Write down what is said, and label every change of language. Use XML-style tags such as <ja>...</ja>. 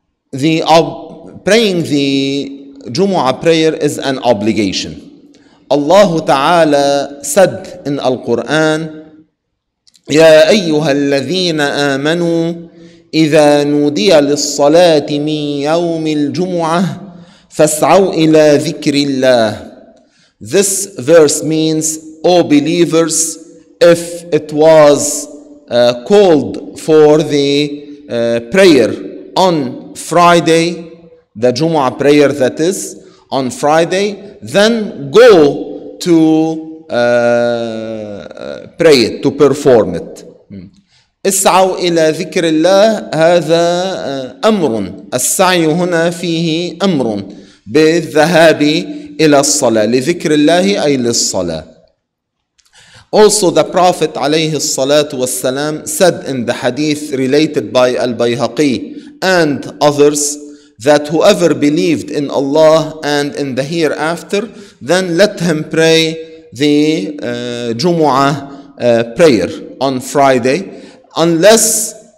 <en>Praying the Jumu'ah prayer is an obligation. Allah Ta'ala said in Al-Quran,</en> <ar>يا أيها الذين آمنوا إذا نودي للصلاة من يوم الجمعة فاسعوا إلى ذكر الله.</ar> <en>This verse means, O believers, if it was called for the prayer on Friday, the Jumu'ah prayer that is, on Friday, then go to pray it, to perform it.</en> <ar>اسعوا إلى ذكر الله هذا أمر. السعي هنا فيه أمر بالذهاب إلى الصلاة لذكر الله أي للصلاة.</ar> <en>Also the Prophet عليه الصلاة والسلام said in the hadith related by Al-Bayhaqi and others that whoever believed in Allah and in the hereafter, then let him pray the Jumu'ah prayer on Friday unless</en>